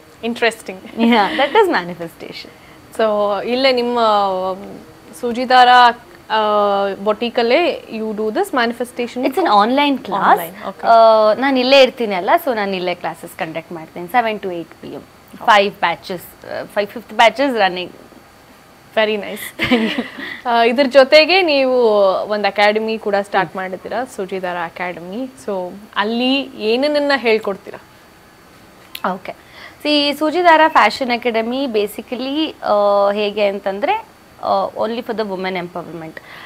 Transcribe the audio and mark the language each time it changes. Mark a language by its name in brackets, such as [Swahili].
[English] Interesting, that is manifestation. So [Kannada] ಇಲ್ಲೇ ನಿಮ್ಮ [English] ಸುಜಿತಾರ ಬೊಟೀಕಲ್ಲೇ you do this manifestation? It's an online class, [Kannada] ನಾನು ಇಲ್ಲೇ ಇರ್ತೀನಿ ಅಲ್ಲ, ಸೊ ನಾನು ಇಲ್ಲೇ ಕ್ಲಾಸಸ್ ಕಂಡಕ್ಟ್ ಮಾಡ್ತೀನಿ. [English] 7 to 8 PM, 5 batches, 5/5th batches running. Very nice. [Kannada] ಇದ್ರ ಜೊತೆಗೆ ನೀವು ಒಂದು ಅಕಾಡೆಮಿ ಕೂಡ ಸ್ಟಾರ್ಟ್ ಮಾಡಿದ್ದೀರಾ, ಸುಜಿತಾರ ಅಕಾಡೆಮಿ. ಸೊ ಅಲ್ಲಿ ಏನೇನನ್ನ ಹೇಳ್ಕೊಡ್ತೀರಾ? [English] okay, see Sujitara fashion academy basically [Kannada] ಹೇಗೆ ಅಂತಂದರೆ [English] Only for the women empowerment.